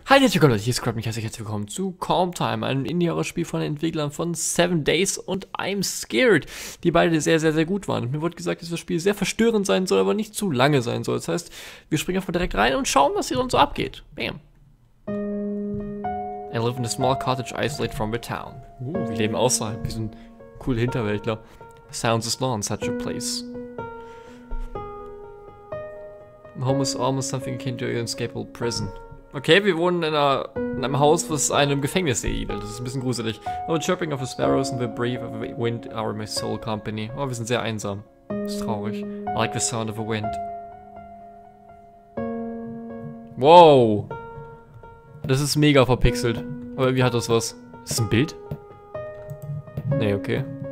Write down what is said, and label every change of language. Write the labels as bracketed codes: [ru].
[de] Hi, herzlich willkommen Leute, hier ist Scrub, mich herzlich willkommen zu Calm Time, einem Indie-Horror-Spiel von den Entwicklern von 7 Days und I'm Scared, die beide sehr, sehr, sehr gut waren. Mir wurde gesagt, dass das Spiel sehr verstörend sein soll, aber nicht zu lange sein soll. Das heißt, wir springen einfach direkt rein und schauen, was hier sonst so abgeht. Bam. [en] I live in a small cottage isolated from the town. [de] Wir leben außerhalb, wir sind coole Hinterwäldler. [en] Sounds as law in such a place. Home is almost something akin to an inescapable prison. [de] Okay, wir wohnen in einem Haus, was einem Gefängnis ähnelt. Das ist ein bisschen gruselig. [en] Oh, chirping of the sparrows and the breath of the wind are my sole company. [de] Oh, wir sind sehr einsam. Das ist traurig. [en] I like the sound of the wind. [de] Wow. Das ist mega verpixelt. Aber irgendwie hat das was. Ist das ein Bild? Nee, okay.